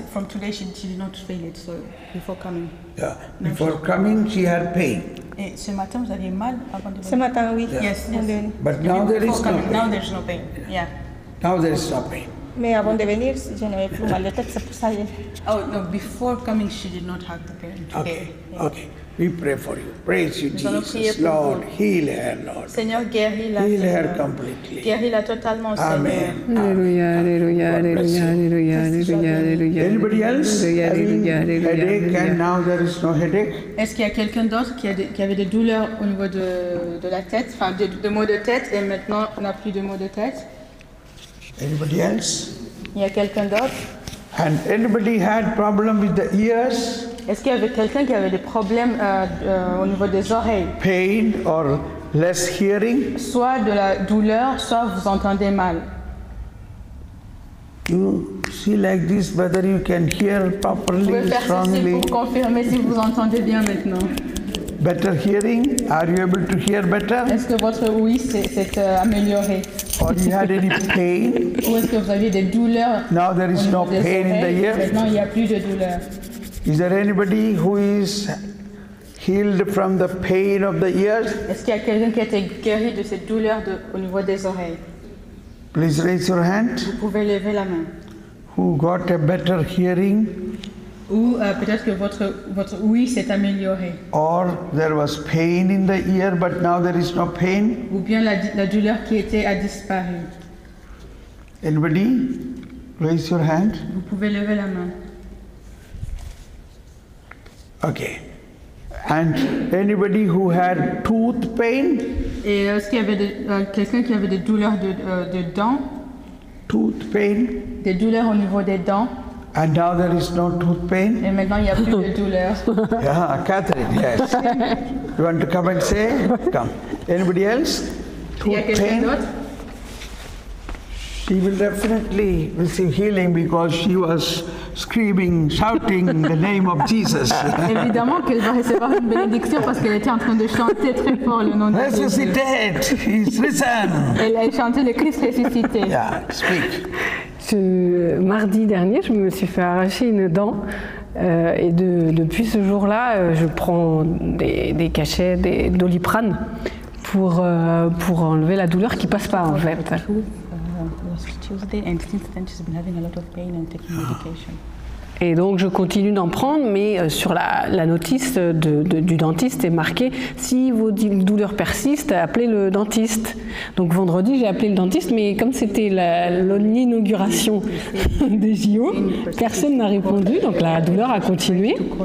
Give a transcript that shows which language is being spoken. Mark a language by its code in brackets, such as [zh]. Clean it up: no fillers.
[en] From today, she did not feel it, so before coming. Yeah, before coming, she had pain. [fr] Et ce matin, vous aviez mal avant de venir. Ce matin, oui. [en] Yeah. Yes, yes. But now there is no pain. Now there's no pain, yeah. Now there is no pain. [fr] Mais avant de venir, je n'avais plus mal de tête, c'est pour ça. [en] Oh, no, before coming, she did not have the pain today. Okay, yeah. Okay. We pray for you. Praise you, Jesus, Lord. Heal her, Lord. [fr] Seigneur, guéris-la. [en] Heal her completely. [fr] Guéris-la totalement, Seigneur. Amen. Alléluia, alléluia, alléluia, alléluia, alléluia, alléluia. [en] Anybody else having headache and now there is no headache? [fr] Est-ce qu'il y a quelqu'un d'autre qui avait des douleurs au niveau de la tête, enfin, de maux de tête, et maintenant n'a plus de maux de tête? [en] Anybody else? [fr] Il y a quelqu'un d'autre? [en] And anybody had problem with the ears? [fr] Est-ce qu'il y avait quelqu'un qui avait des problèmes au niveau des oreilles? [en] Pain or less hearing? [fr] Soit de la douleur, soit vous entendez mal. [en] You see like this whether you can hear properly, strongly. [fr] Vous pouvez faire ceci pour confirmer si vous entendez bien maintenant. [en] Better hearing? Are you able to hear better? [fr] Est-ce que votre oui s'est amélioré? [en] Or you had any pain? [fr] Ou est-ce que vous aviez des douleurs? [en] Now there is no pain in the ears. [fr] Maintenant il n'y a plus de douleur. [en] Is there anybody who is healed from the pain of the ears? [fr] Est-ce qu'il y a quelqu'un qui a été guéri de cette douleur au niveau des oreilles? [en] Please raise your hand. [fr] Vous pouvez lever la main. [en] Who got a better hearing? [fr] Ou peut-être que votre oui s'est amélioré. [en] Or there was pain in the ear, but now there is no pain. [fr] Ou bien la douleur qui était a disparu. [en] Anybody? Raise your hand. [fr] Vous pouvez lever la main. [en] Okay. And anybody who had tooth pain? [fr] Et est-ce qu'il y avait quelqu'un qui avait des douleurs de dents? [en] Tooth pain? [fr] Des douleurs au niveau des dents? [en] And now there is no tooth pain? [fr] Et maintenant il y a plus de douleurs. [en] Yeah, Catherine, yes. You want to come and say? Come. Anybody else? Tooth pain? She will definitely receive healing because she was screaming, shouting the name of Jesus. [fr] Évidemment qu'elle va recevoir une bénédiction parce qu'elle était en train de chanter très fort le nom de Jésus. [en] Resuscitated, he's risen. [fr] Elle a chanté le Christ ressuscité. [en] Yeah, speak. [fr] Ce mardi dernier, je me suis fait arracher une dent. Et depuis ce jour-là, je prends des cachets, des doliprane pour enlever la douleur qui passe pas en fait. [en] Tuesday and since then she's been having a lot of pain and taking medication. [fr] Et donc je continue d'en prendre, mais sur la notice du dentiste est marqué si vos douleurs persistent, appelez le dentiste. Donc vendredi j'ai appelé le dentiste, mais comme c'était l'inauguration des JO, personne n'a répondu, donc la douleur a continué.